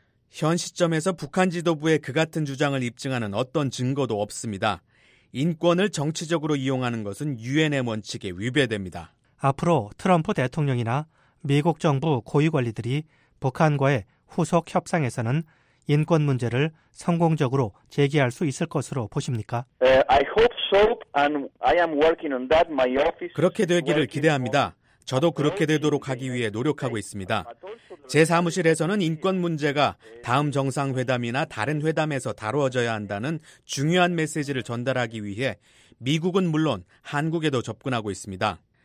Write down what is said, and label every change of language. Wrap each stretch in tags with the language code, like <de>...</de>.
<ko>현 시점에서 북한 지도부의 그 같은 주장을 입증하는 어떤 증거도 없습니다. 인권을 정치적으로 이용하는 것은 유엔의 원칙에 위배됩니다. 앞으로 트럼프 대통령이나 미국 정부 고위관리들이 북한과의 후속 협상에서는 인권 문제를 성공적으로 제기할 수 있을 것으로 보십니까?</ko> <en>I hope so and I am working on that. My office</en> <ko>그렇게 되기를 기대합니다. 저도 그렇게 되도록 하기 위해 노력하고 있습니다. 제 사무실에서는 인권 문제가 다음 정상회담이나 다른 회담에서 다루어져야 한다는 중요한 메시지를 전달하기 위해 미국은 물론 한국에도 접근하고 있습니다.</ko>